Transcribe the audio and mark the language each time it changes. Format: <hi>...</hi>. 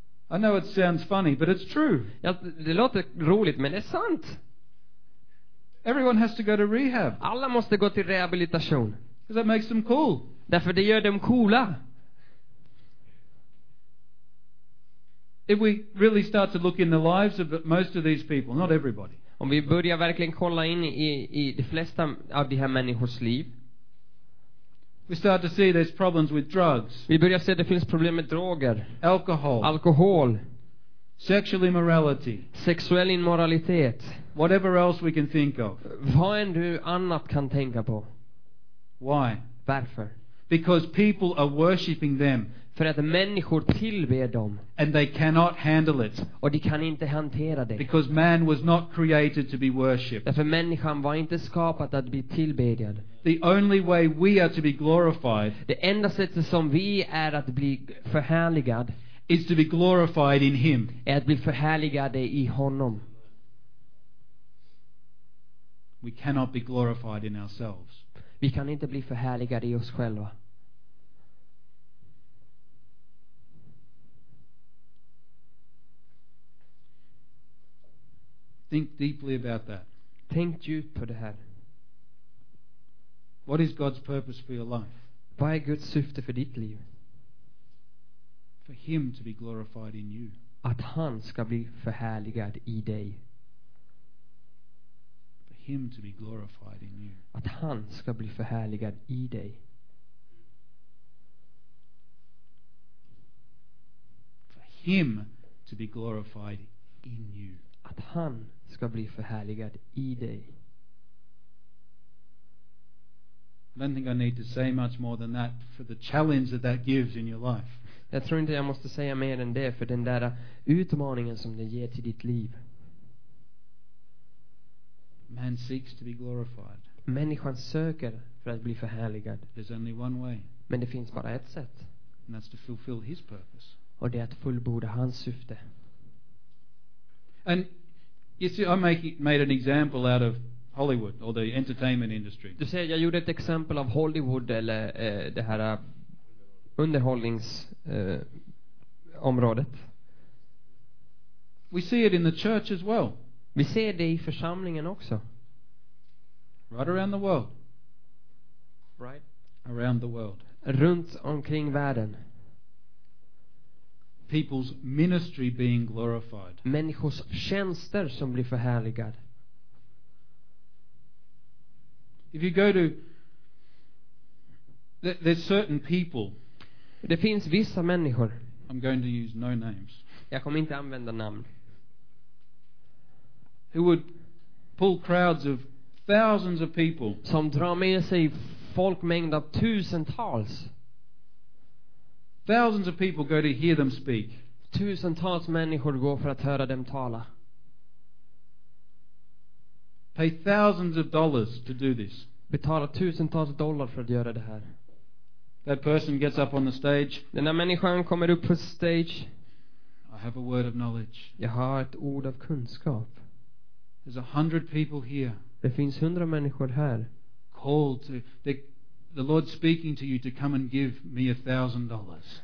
<en>I know it sounds funny, but it's true.</en> <sv>Ja, det låter roligt, men det är sant.</sv> <en>Everyone has to go to rehab.</en> <sv>Alla måste gå till rehabilitation.</sv> <en>Because that makes them cool.</en> <sv>Därför det gör dem coola.</sv> <en>If we really start to look in the lives of most of these people, not everybody.</en> <sv>Om vi börjar verkligen kolla in i de flesta av de här människors liv.</sv> <en>We start to see there's problems with drugs.</en> <sv>Vi börjar se det finns problem med droger.</sv> <en>Alcohol. Sexual immorality.</en> <sv>Sexuell immoralitet.</sv> <en>Whatever else we can think of.</en> <sv>Vad än du annat kan tänka på.</sv> <en>Why?</en> <sv>Varför?</sv> <en>Because people are worshipping them.</en> <sv>För att människor tillber dem.</sv> <en>And they cannot handle it.</en> <sv>Och de kan inte hantera det.</sv> <en>Because man was not created to be worshipped.</en> <sv>Därför människan var inte skapad att bli tillbedjad.</sv> <en>The only way we are to be glorified.</en> <sv>Det enda sättet som vi är att bli förhärligad.</sv> <en>Is to be glorified in him.</en> <sv>Är att bli förhärligade i honom.</sv> <en>We cannot be glorified in ourselves.</en> <sv>Vi kan inte bli förhärligade i oss själva.</sv> <en>Think deeply about that.</en> <sv>Tänk djupt på det här.</sv> <en>What is God's purpose for your life?</en> <sv>Vad är Guds syfte för ditt liv?</sv> <en>For him to be glorified in you.</en> <sv>Att han ska bli förhärligad i dig.</sv> <en>For him to be glorified in you.</en> <sv>Att han ska bli förhärligad i dig.</sv> <en>For him to be glorified in you.</en> <sv>Att han ska bli förhärligad i dig.</sv> <en>I don't think I need to say much more than that for the challenge that gives in your life.</en> <sv>Jag tror inte jag måste säga mer än det för den där utmaningen som det ger till ditt liv.</sv> <en>Man seeks to be glorified.</en> <sv>Människan söker för att bli förhärligad.</sv> <en>There's only one way.</en> <sv>Men det finns bara ett sätt.</sv> <en>And that's to fulfill his purpose.</en> <sv>Och det är att fullborda hans syfte.</sv> <en>And you see, I made an example out of Hollywood or the entertainment industry.</en> <sv>Du ser, jag gjorde ett exempel av Hollywood eller det här underhållningsområdet.</sv> <en>We see it in the church as well.</en> <sv>Vi ser det i församlingen också.</sv> <en>Right around the world. Right. Around the world.</en> <sv>Runt omkring världen.</sv> <en>People's ministry being glorified.</en> <sv>Människors tjänster som blir förhärligad.</sv> <en>If you go to there's certain people.</en> <sv>Det finns vissa människor.</sv> <en>I'm going to use no names.</en> <sv>Jag kommer inte använda namn.</sv> <en>Who would pull crowds of thousands of people.</en> <sv>Som drar med sig folkmängd av tusentals.</sv> <en>Thousands of people go to hear them speak.</en> <sv>Tusentals människor går för att höra dem tala.</sv> <en>Pay thousands of dollars to do this.</en> <sv>Betala tusentals dollar för att göra det här.</sv> <en>That person gets up on the stage.</en> <sv>Den där människan kommer upp på stage.</sv> <en>I have a word of knowledge.</en> <sv>Jag har ett ord av kunskap.</sv> <en>There's 100 people here.</en> <sv>Det finns 100 människor här.</sv> <en>Called to the The Lord speaking to you to come and give me $1,000.</en>